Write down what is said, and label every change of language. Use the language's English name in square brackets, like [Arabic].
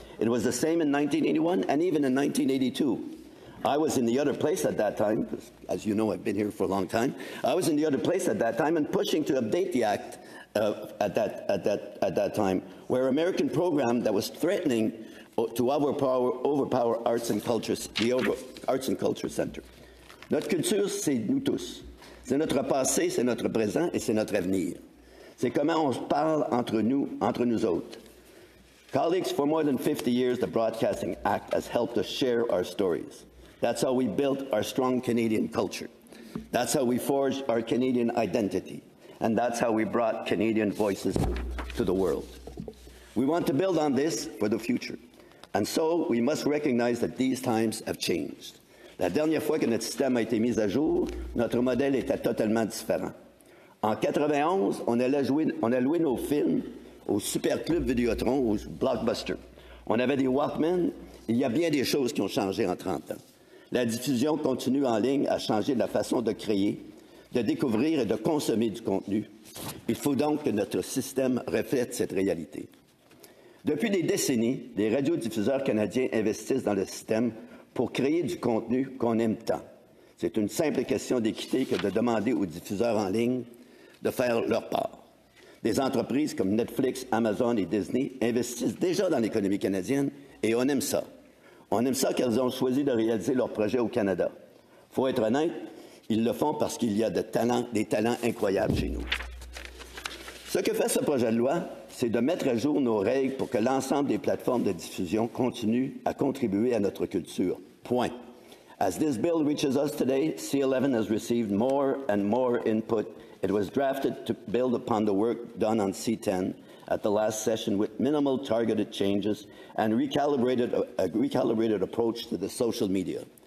[English] It was the same in 1981 and even in 1982. I was in the other place at that time, because as you know, I've been here for a long time. I was in the other place at that time and pushing to update the Act at that time, where American program that was threatening to overpower arts and cultures, arts and culture center. [French] Notre culture, c'est nous tous. C'est notre passé, c'est notre présent et c'est notre avenir. C'est comment on se parle entre nous autres. Colleagues, for more than 50 years, the Broadcasting Act has helped us share our stories. That's how we built our strong Canadian culture. That's how we forged our Canadian identity. And that's how we brought Canadian voices to the world. We want to build on this for the future. And so we must recognize that these times have changed. La dernière fois que notre système a été mis à jour, notre modèle était totalement différent. En 91, on a loué nos films au Superclub Vidéotron, au Blockbuster. On avait des Walkman. Il y a bien des choses qui ont changé en 30 ans. La diffusion continue en ligne a changé la façon de créer, de découvrir et de consommer du contenu. Il faut donc que notre système reflète cette réalité. Depuis des décennies, les radiodiffuseurs canadiens investissent dans le système pour créer du contenu qu'on aime tant. C'est une simple question d'équité que de demander aux diffuseurs en ligne de faire leur part. Des entreprises comme Netflix, Amazon et Disney investissent déjà dans l'économie canadienne et on aime ça. On aime ça qu'elles ont choisi de réaliser leur projet au Canada. Faut être honnête, ils le font parce qu'il y a des talents incroyables chez nous. Ce que fait ce projet de loi, c'est de mettre à jour nos règles pour que l'ensemble des plateformes de diffusion continuent à contribuer à notre culture. Point. [English] As this bill reaches us today, C-11 has received more and more input. It was drafted to build upon the work done on C-10 at the last session with minimal targeted changes and recalibrated approach to the social media.